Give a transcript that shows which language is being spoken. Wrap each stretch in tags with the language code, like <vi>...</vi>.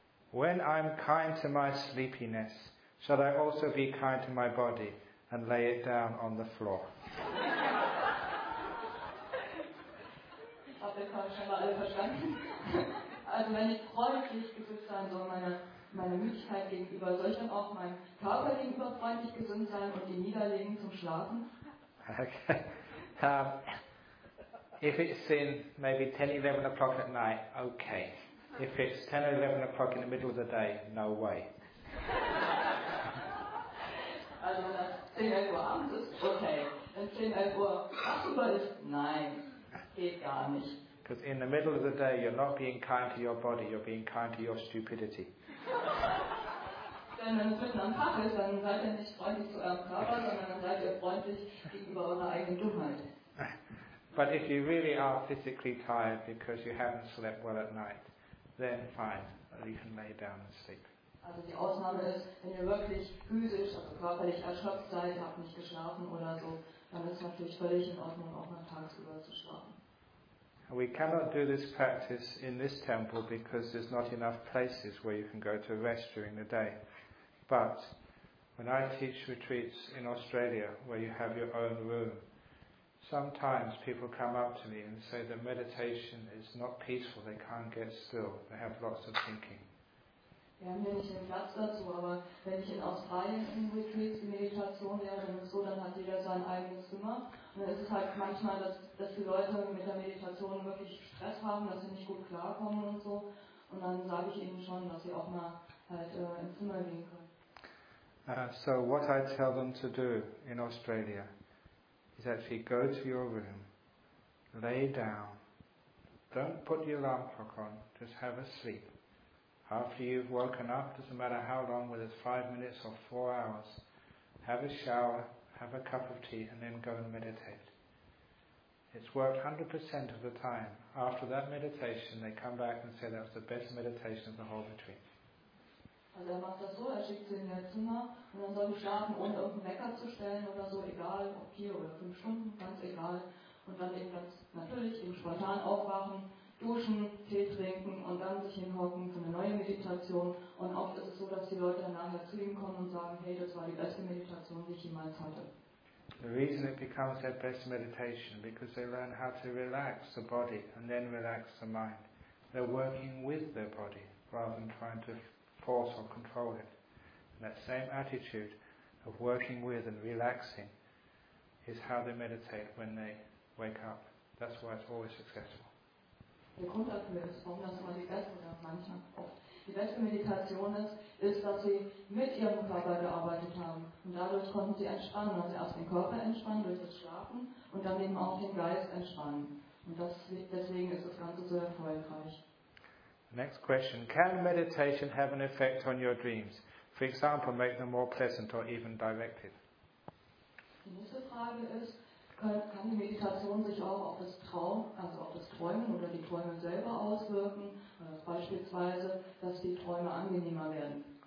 <en>When I'm kind to my sleepiness, shall I also be kind to my body? and lay it down on the floor.</en> <de>Habt ihr schon mal alle verstanden? Also wenn ich freundlich gesund sein soll, meine Müdigkeit gegenüber, soll ich dann auch meinen Körper gegenüber freundlich gesund sein und ihn niederlegen zum Schlafen?</de> <en>Okay. If it's in maybe 10, 11 o'clock at night, okay. If it's 10 or 11 o'clock in the middle of the day, no way.</en> <de>Also, wenn es 10, 11 Uhr abends ist, okay. Wenn es 10, 11 Uhr tagsüber ist, nein, geht gar nicht.</de> <en>Because in the middle of the day, you're not being kind to your body, you're being kind to your stupidity.</en> <de>Denn wenn es mitten am Tag ist, dann seid ihr nicht freundlich zu eurem Körper, sondern dann seid ihr freundlich gegenüber eurer eigenen Dummheit.</de> <en>But if you really are physically tired because you haven't slept well at night, then fine, you can lay down and sleep.</en> <de>Also die Ausnahme ist, wenn ihr wirklich physisch, also körperlich erschöpft seid, habt nicht geschlafen oder so, dann ist es natürlich völlig in Ordnung, auch noch tagsüber zu schlafen.</de> <en>We cannot do this practice in this temple because there's not enough places where you can go to rest during the day. But when I teach retreats in Australia, where you have your own room, sometimes people come up to me and say that meditation is not peaceful, they can't get still, they have lots of thinking.</en> <de>Wir haben hier nicht den Platz dazu, aber wenn ich in Australien in Retreats die Meditation wäre, dann ist so, dann hat jeder sein eigenes Zimmer. Und dann ist es halt manchmal, dass die Leute mit der Meditation wirklich Stress haben, dass sie nicht gut klarkommen und so. Und dann sage ich ihnen schon, dass sie auch mal halt ins Zimmer gehen können.</de> <en>So what I tell them to do in Australia is actually go to your room, lay down, don't put your alarm clock on, just have a sleep. After you've woken up, doesn't matter how long, whether it's 5 minutes or 4 hours, have a shower, have a cup of tea, and then go and meditate. It's worked 100% of the time. After that meditation, they come back and say that was the best meditation of the whole retreat.</en> <de>Also er macht das so, er schickt sie in ihr Zimmer und dann soll sie schlafen, ohne irgendeinen Wecker zu stellen oder so, egal, ob 4 oder 5 Stunden, ganz egal. Und dann eben ganz natürlich eben spontan aufwachen, duschen, Tee trinken und dann sich hinhocken für eine neue Meditation. Und oft ist es so, dass die Leute dann nachher zu ihm kommen und sagen, hey, das war die beste Meditation, die ich jemals hatte.</de> <en>The reason it becomes their best meditation, because they learn how to relax the body and then relax the mind. They're working with their body, rather than trying to force or control it. And that same attitude of working with and relaxing is how they meditate when they wake up. That's why it's always successful.</en> <de>Der Grund dafür ist, warum das immer die beste oder manchmal oft die beste Meditation ist, dass sie mit ihrem Körper gearbeitet haben und dadurch konnten sie entspannen, also erst den Körper entspannen durch das Schlafen und dann eben auch den Geist entspannen. Und deswegen ist das Ganze so erfolgreich.</de> <en>Next question. Can meditation have an effect on your dreams? For example, make them more pleasant or even directed?</en> <de>Die nächste Frage ist, kann die Meditation sich auch auf das Traum, also auf das Träumen oder die Träume selber auswirken? Beispielsweise, dass die Träume angenehmer werden.</de>